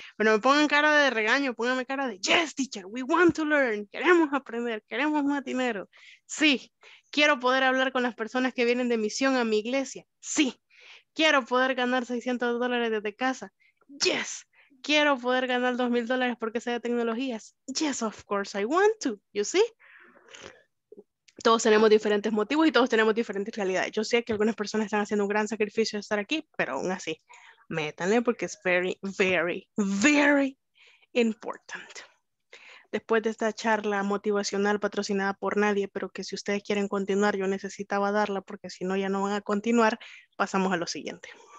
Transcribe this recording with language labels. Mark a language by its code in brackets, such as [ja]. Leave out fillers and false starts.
[es] Bueno, me pongan cara de regaño, pónganme cara de [en] yes, teacher, we want to learn, [es] queremos aprender, queremos más dinero. Sí, quiero poder hablar con las personas que vienen de misión a mi iglesia. Sí, quiero poder ganar $600 desde casa. Yes, quiero poder ganar $2,000 porque sea de tecnologías. [en] Yes, of course, I want to, you see? [es] Todos tenemos diferentes motivos y todos tenemos diferentes realidades. Yo sé que algunas personas están haciendo un gran sacrificio de estar aquí, pero aún así, métanle porque es [en] very, very, very important. [es] Después de esta charla motivacional patrocinada por nadie, pero que si ustedes quieren continuar, yo necesitaba darla porque si no ya no van a continuar, pasamos a lo siguiente.